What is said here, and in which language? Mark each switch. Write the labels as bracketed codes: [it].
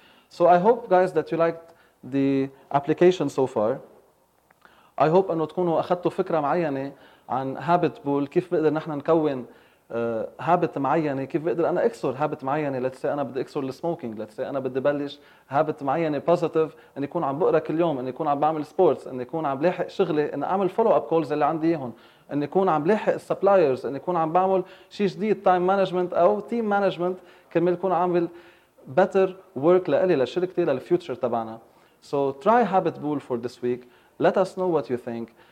[en] So I hope guys that you liked the application so far. I hope [ar] أنه تكونوا أخذتوا فكرة معينة عن Habit Bool, كيف بقدر نحن نكون habit معينة, كيف بقدر أنا أكسر habit معينة. [en] Let's say [ar] أنا بدي أكسر السموكينج, let's say أنا بدي بلش habit معينة positive, أن يكون عم بقرأ كل يوم, أن يكون عم بعمل sports, أن يكون عم لاحق شغلي, أن أعمل [en] follow up calls [ar] اللي عندي هون, أن يكون عم لاحق suppliers, أن يكون عم بعمل شيء جديد time management أو [en] team management, [ar] كمان يكون عامل [en] better work [ar] لألي لشركتي للfuture تبعنا. [en] So try Habit Bool for this week, let us know what you think.